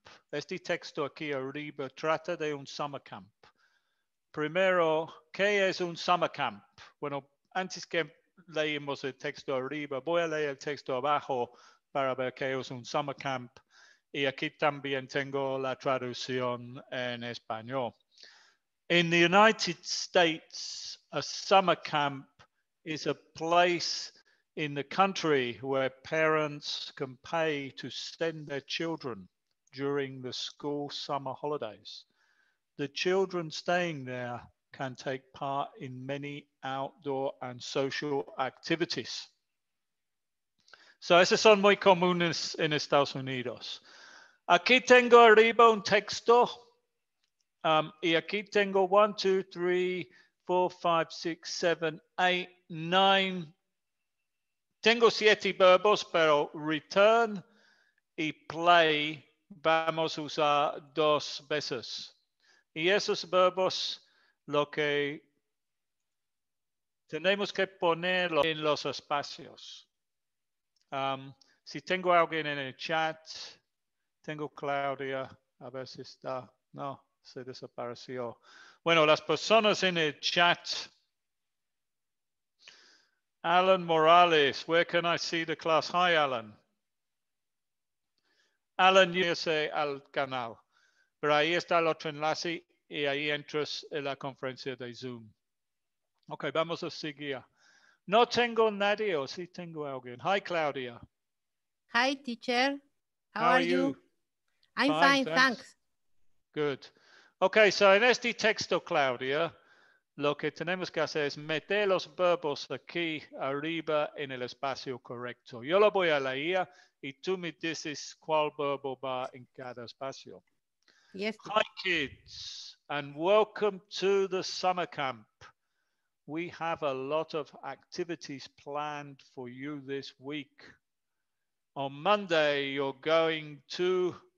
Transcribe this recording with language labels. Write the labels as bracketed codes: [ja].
[es] Este texto aquí arriba trata de un summer camp. Primero, ¿qué es un summer camp? Bueno, antes que leímos el texto arriba, voy a leer el texto abajo para ver qué es un summer camp. Y aquí también tengo la traducción en español. [en] In the United States, a summer camp is a place in the country where parents can pay to send their children during the school summer holidays. The children staying there can take part in many outdoor and social activities. [es] So, esos son muy comunes en Estados Unidos. Aquí tengo arriba un texto. Y aquí tengo 1, 2, 3, 4, 5, 6, 7, 8, 9. Tengo 7 verbos, pero return y play vamos a usar 2 veces. Y esos verbos, lo que tenemos que ponerlo en los espacios. Si tengo alguien en el chat, tengo Claudia, a ver si está. No. Se desapareció. Bueno, las personas en el chat. [en] Alan Morales, where can I see the class? Hi, Alan. Alan, you say [es] al canal. Pero ahí está el otro enlace y ahí entras en la conferencia de Zoom. Ok, vamos a seguir. No tengo nadie o sí tengo alguien. [en] Hi, Claudia. Hi, teacher. How are you? I'm fine, thanks. Good. Okay, so in [es] este texto, [en] Claudia, [es] Lo que tenemos que hacer es meter los verbos aquí arriba en el espacio correcto. Yo lo voy a leer y tú me dices cuál verbo va en cada espacio. [en] Yes. Hi, kids, and welcome to the summer camp. We have a lot of activities planned for you this week. On Monday, you're going to...